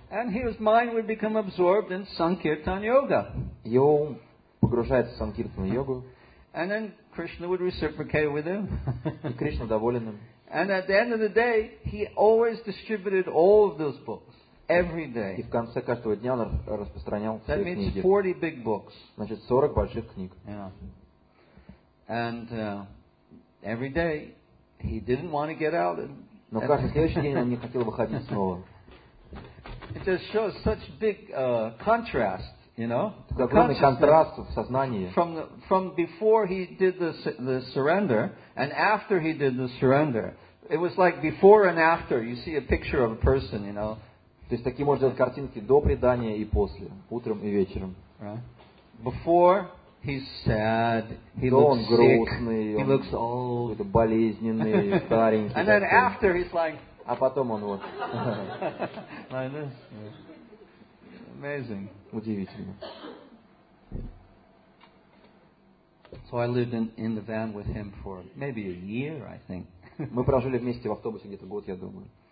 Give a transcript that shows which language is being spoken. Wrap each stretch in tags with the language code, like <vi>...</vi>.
<en>And his mind would become absorbed in sankirtan yoga.</en> <ru>Его погружается в санкиртану йогу.</ru> <en>And then Krishna would reciprocate with him.</en> <ru>И Кришна доволен им.</ru> <en>And at the end of the day, he always distributed all of those books every day.</en> <ru>И в конце каждого дня он распространял все книги.</ru> <en>That means 40 big books.</en> <ru>Значит, 40 больших книг.</ru> <en>Yeah. And every day, he didn't want to get out.</en> <ru>Но каждый следующий день он не хотел выходить снова.</ru> <en>It just shows such big contrast, you know.</en> <ru>Огромный контраст в сознании.</ru> <en>From before he did the surrender and after he did the surrender, it was like before and after. You see a picture of a person, you know.</en> <ru>То есть такие можно делать картинки до предания и после, утром и вечером.</ru> <en>Before he's sad, he looks</en> <ru>грустный,</ru> <en>sick, he looks old.</en> <ru>Какой-то болезненный, старенький.</ru> <en>And then after he's like.</en> <ru>А потом он вот.</ru> <en>Like this. Amazing.</en> <ru>Удивительно.</ru> <en>So I lived in the van with him for maybe a year, I think.</en> <ru>Мы прожили вместе в автобусе где-то год, я думаю.</ru>